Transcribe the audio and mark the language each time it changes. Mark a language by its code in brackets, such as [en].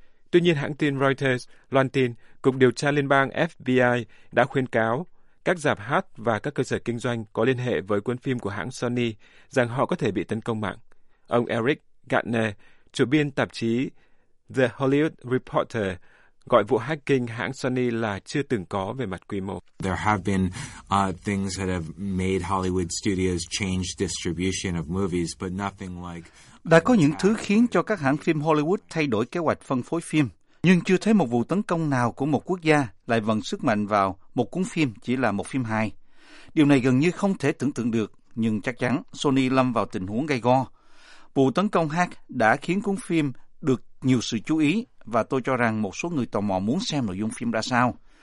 [vi] Tuy nhiên, hãng tin Reuters loan tin Cục Điều tra Liên bang FBI đã khuyên cáo các rạp hát và các cơ sở kinh doanh có liên hệ với cuốn phim của hãng Sony rằng họ có thể bị tấn công mạng. Ông Eric Gardner, chủ biên tạp chí The Hollywood Reporter, gọi vụ hacking hãng Sony là chưa từng có về mặt quy mô. [en] There have been things that have made Hollywood studios change distribution of movies, but nothing like. [vi] Đã có những thứ khiến cho các hãng phim Hollywood thay đổi kế hoạch phân phối phim, nhưng chưa thấy một vụ tấn công nào của một quốc gia lại vận sức mạnh vào một cuốn phim chỉ là một phim hài. Điều này gần như không thể tưởng tượng được, nhưng chắc chắn Sony lâm vào tình huống gay go. Vụ tấn công hack đã khiến cuốn phim được nhiều sự chú ý và tôi cho rằng một số người tò mò muốn xem nội dung phim ra sao.